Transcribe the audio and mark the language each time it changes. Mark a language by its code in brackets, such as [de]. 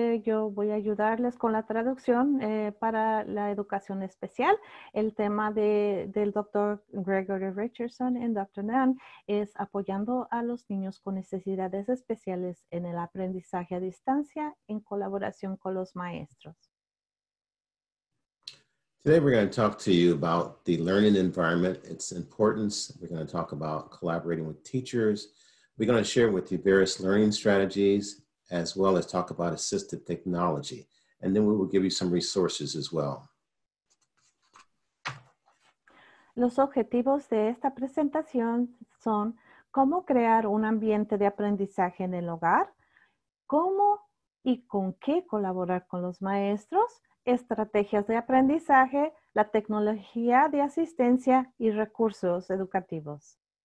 [es] Yo voy a ayudarles con la traducción para la educación especial. El tema del Dr. Gregory Richardson y Dr. Nan es apoyando a los niños con necesidades especiales en el aprendizaje a distancia en colaboración con los maestros. [en] Today we're going to talk to you about the learning environment, its importance. We're going to talk about collaborating with teachers. We're going to share with you various learning strategies, as well as talk about assistive technology. And then we will give you some resources as well. [es] Los objetivos de esta presentación son cómo crear un ambiente de aprendizaje en el hogar, cómo y con qué colaborar con los maestros, estrategias de aprendizaje, la tecnología de asistencia y recursos educativos.